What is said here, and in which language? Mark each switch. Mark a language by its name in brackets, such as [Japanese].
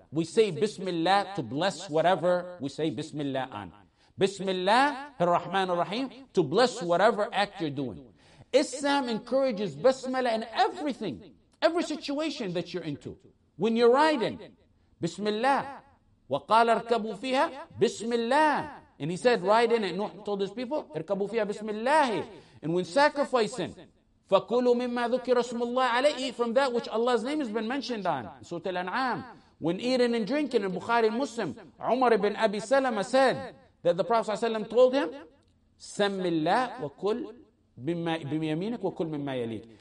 [English] We say Bismillah to bless whatever we say Bismillah on. Bismillah ar-Rahman ar-Rahim to bless whatever act you're doing. Islam encourages Basmala in everything, every situation that you're into. When you're riding, Bismillah. [Arabic] وَقَالَ ارْكَبُوا فِيهَا Bismillah. [English] And he said, ride in it. Nuh told his people, [Arabic] ارْكَبُوا فِيهَا بِسْمِ. [English] And when sacrificing, [Arabic] فَكُلُوا مِمَّا ذُكِرَ اسْمُ اللَّهِ عَلَيْهِ [English] from that which Allah's name has been mentioned on. Surah Al-An'am. When eating and drinking in Bukhari and Muslim, Umar ibn Abi Salama said that the Prophet ﷺ told him, [Arabic] سَمِّ اللَّهِ وَكُلْ بِمِيَمِينَكْ وَكُلْ مِمَّا يَلِيكَ.